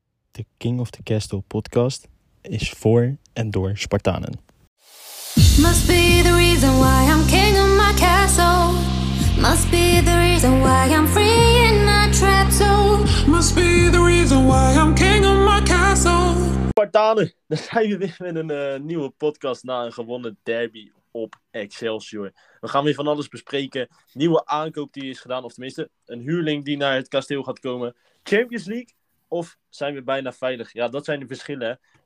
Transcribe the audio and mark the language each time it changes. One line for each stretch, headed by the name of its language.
Dutch: De King of the Castle podcast is voor en door Spartanen.
English: Must be the reason why I'm king of my castle. Must be the reason why I'm free in my trap zone. Must be the reason why I'm king of my castle.
Dutch: Spartanen, dan zijn we weer met een nieuwe podcast na een gewonnen derby op Excelsior. We gaan weer van alles bespreken. Nieuwe aankoop die is gedaan, of tenminste een huurling die naar het kasteel gaat komen. Champions League, of zijn we bijna veilig? Ja, dat zijn de verschillen.